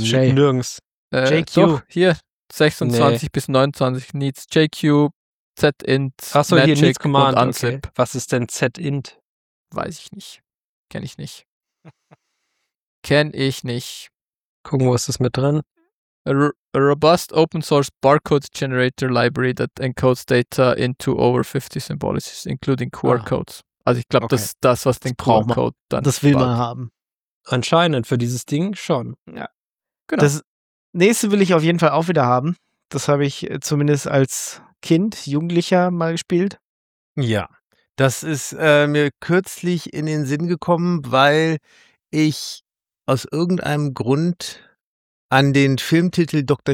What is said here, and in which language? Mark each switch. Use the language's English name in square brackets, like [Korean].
[German] wieder nirgends. JQ. Doch, hier 26 bis 29 Needs. JQ, Zint. Achso, hier Needs Command. Und Unzip. Okay. Was ist denn Zint? Weiß ich nicht. Kenn ich nicht. Gucken, wo ist das mit drin? [English] A robust open-source barcode generator library that encodes data into over 50 symbolics, including QR-Codes. [German] Also ich glaube, das ist das, was den QR-Code dann Das will man haben. Anscheinend für dieses Ding schon. Ja, genau. Das nächste will ich auf jeden Fall auch wieder haben. Das habe ich zumindest als Kind, Jugendlicher mal gespielt. Ja, das ist mir kürzlich in den Sinn gekommen, weil ich aus irgendeinem Grund an den Filmtitel Dr.